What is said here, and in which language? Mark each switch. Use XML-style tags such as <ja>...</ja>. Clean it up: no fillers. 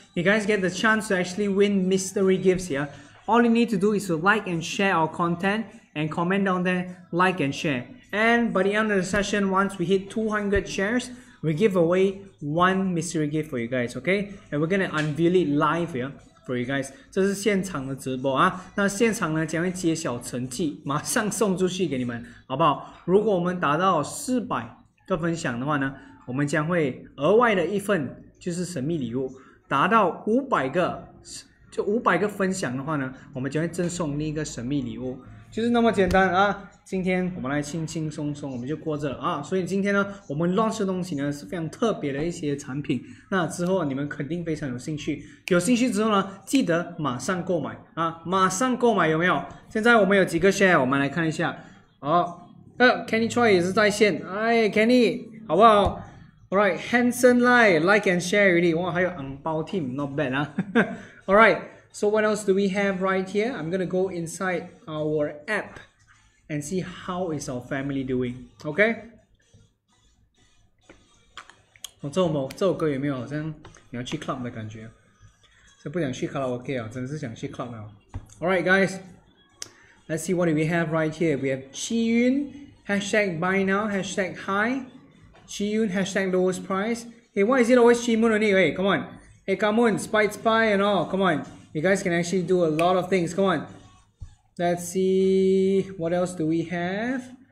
<en>You guys get the chance to actually win mystery gifts here. All you need to do is to like and share our content and comment down there, like and share. And by the end of the session, once we hit 200 shares, we give away one mystery gift for you guys, okay? And we're going to unveil it live here. For you guys,</en> <zh>这是现场的直播啊。那现场呢将会揭晓成绩，马上送出去给你们，好不好？如果我们达到400个分享的话呢，我们将会额外的一份就是神秘礼物。达到500个，就500个分享的话呢，我们将会赠送另一个神秘礼物，就是那么简单啊。今天我们来轻轻松松，我们就过着了啊。所以今天呢，我们 launch 的东西呢是非常特别的一些产品。那之后你们肯定非常有兴趣，有兴趣之后呢，记得马上购买啊，马上购买有没有？现在我们有几个 share， 我们来看一下。好，Kenny Choi 也是在线，哎 ，Kenny， 好不好 ？</zh> <en>Alright，</en> <zh>Hanson Lai</zh> <en>like and share really，</en> <zh>哇，还有 Angbao Team，</zh> <en>not bad</en> <zh>啊。</zh> <en>Alright， so what else do we have right here？ I'm gonna go inside our app。 And see how is our family doing, okay?</en> <zh>我这么这首歌有没有好像你要去 club 的感觉？这不想去卡拉 OK 啊，真的是想去 club 了。</zh> <en>All right, guys, let's see what we have right here. We have Qiyun hashtag buy now hashtag high, Qiyun hashtag lowest price. Hey, why is it always Qimun only? Hey, come on. Hey, come on, spite spy and all. Come on, you guys can actually do a lot of things. Come on. Let's see, what else do we have?</en>